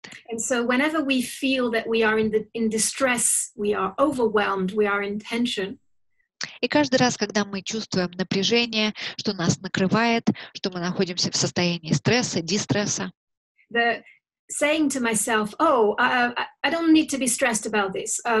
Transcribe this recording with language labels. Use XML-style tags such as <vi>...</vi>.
<en>And so whenever we feel that we are in distress, we are overwhelmed, we are in tension.</en> <ru>И каждый раз, когда мы чувствуем напряжение, что нас накрывает, что мы находимся в состоянии стресса, дистресса.</ru> <en>The saying to myself, "Oh, I don't need to be stressed about this."</en>